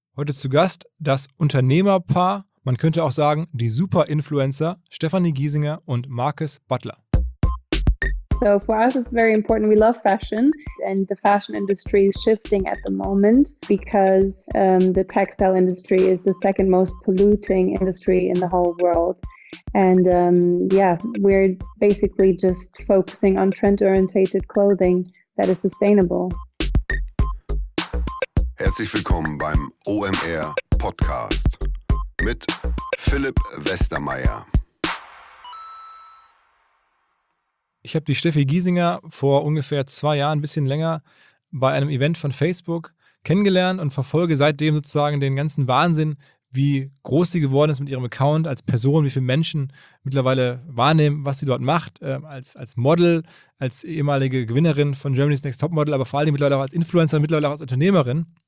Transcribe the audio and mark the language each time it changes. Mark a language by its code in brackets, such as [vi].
[de] Heute zu Gast das Unternehmerpaar, man könnte auch sagen die Super-Influencer Stefanie Giesinger und Marcus Butler. [en] So for us it's very important, we love fashion and the fashion industry is shifting at the moment because the textile industry is the second most polluting industry in the whole world. And we're basically just focusing on trend-orientated clothing that is sustainable. [de] Herzlich willkommen beim OMR Podcast mit Philipp Westermeier. Ich habe die Steffi Giesinger vor ungefähr 2 Jahren, ein bisschen länger, bei einem Event von Facebook kennengelernt und verfolge seitdem sozusagen den ganzen Wahnsinn, wie groß sie geworden ist mit ihrem Account als Person, wie viele Menschen mittlerweile wahrnehmen, was sie dort macht, als Model, als ehemalige Gewinnerin von Germany's Next Topmodel, aber vor allem mittlerweile auch als Influencer, mittlerweile auch als Unternehmerin.